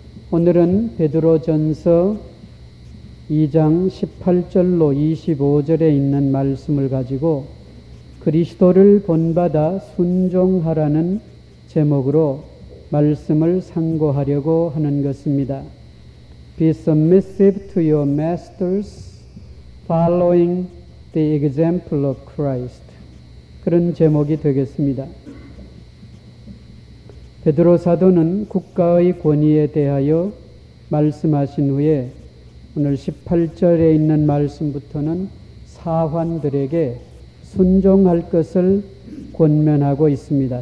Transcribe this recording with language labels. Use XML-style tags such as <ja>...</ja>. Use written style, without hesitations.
<ko>오늘은 베드로전서 2장 18절로 25절에 있는 말씀을 가지고 그리스도를 본받아 순종하라는 제목으로 말씀을 상고하려고 하는 것입니다.</ko> <en>Be submissive to your masters, following the example of Christ.</en> <ko>그런 제목이 되겠습니다. 베드로 사도는 국가의 권위에 대하여 말씀하신 후에 오늘 18절에 있는 말씀부터는 사환들에게 순종할 것을 권면하고 있습니다.</ko>